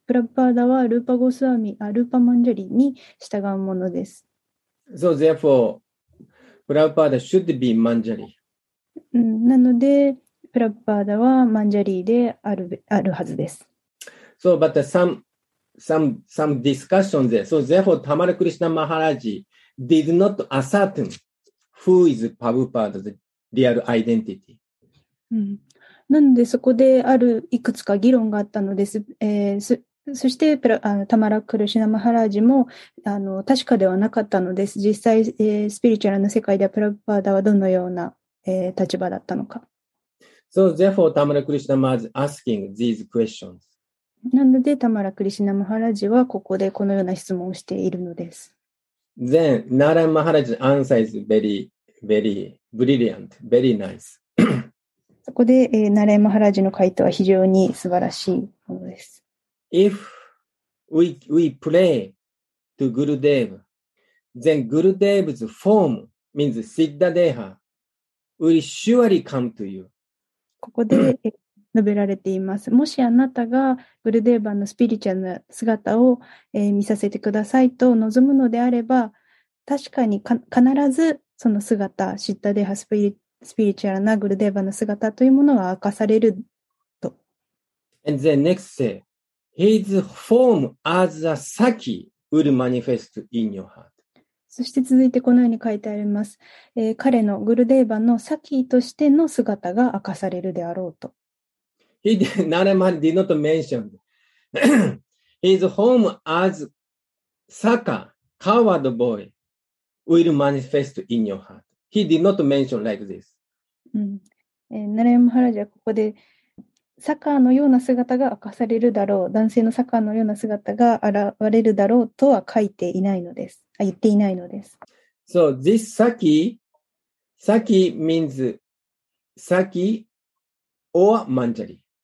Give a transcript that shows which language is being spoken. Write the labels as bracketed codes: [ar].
[ja] プラブパーダはルーパゴスワミ、ルーパマンジャリに従うものです。 [en] So therefore, Prabhupada should be Manjari. [ja] なのでプラパーダはマンジャリーである、あるはずです。 [en] So, but some discussion there. So therefore, Tamara Krishna Maharaji did not ascertain who is Prabhupada's real identity.、 [ja] なのでそこであるいくつか議論があったのです。そしてタマラ・クリシュナ・マハラージも確かではなかったのです。実際、スピリチュアルな世界ではプラパーダはどのような立場だったのか。 [en] So therefore, Tamara Krishna was asking these questions. [ja] なので、タマラ・クリシュナ・マハラジはここでこのような質問をしているのです。 [en] Then, Narayan Maharaj's answer is very, very brilliant, very nice. [ja] そこで、Narayan Maharaj の回答は非常に素晴らしいものです。 [en] If we pray to Gurudev, then Gurudev's form means Siddha Deha. Will surely come to you. [ja] ここで述べられています。もしあなたがグルデーバのスピリチュアルな姿を見させてくださいと望むのであれば、確かに必ずその姿、シッタデーハスピリチュアルなグルデーバの姿というものが明かされると。 [en] And then next say, his form as a Saki will manifest in your heart. [ja] そして続いてこのように書いてあります。彼のグルデーバのサキーとしての姿が明かされるであろうと。 [en] He did not mention his home as Saka, coward boy, will manifest in your heart. He did not mention like this. [ja] ナラヤマハラジはここで、サカーのような姿が明かされるだろう、男性のサカーのような姿が現れるだろうとは書いていないのです。あ、言っていないのです。 [en] So, this Saki, Saki means Saki or Manjari.